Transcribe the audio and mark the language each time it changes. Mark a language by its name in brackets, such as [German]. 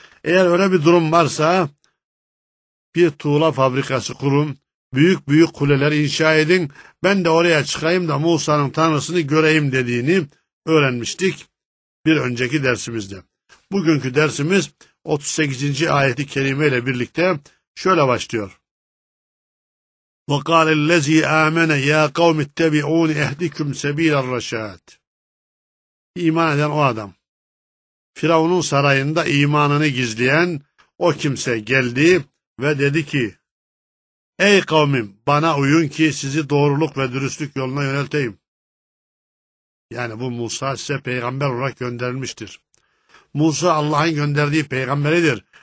[Turkish] Eğer öyle bir durum varsa bir tuğla fabrikası kurun, büyük büyük kuleler inşa edin, ben de oraya çıkayım da Musa'nın tanrısını göreyim dediğini öğrenmiştik bir önceki dersimizde. Bugünkü dersimiz 38. ayeti kerime ile birlikte şöyle başlıyor. [Arabic] وَقَالَ الَّذ۪ي اٰمَنَ يَا قَوْمِ اتَّبِعُونِ اَهْدِكُمْ سَب۪يلَ الرَّشَادِ [Turkish] İman eden o adam. Firavun'un sarayında imanını gizleyen o kimse geldi ve dedi ki, ey kavmim bana uyun ki sizi doğruluk ve dürüstlük yoluna yönelteyim. Yani bu Musa size peygamber olarak gönderilmiştir. Musa Allah'ın gönderdiği peygamberidir.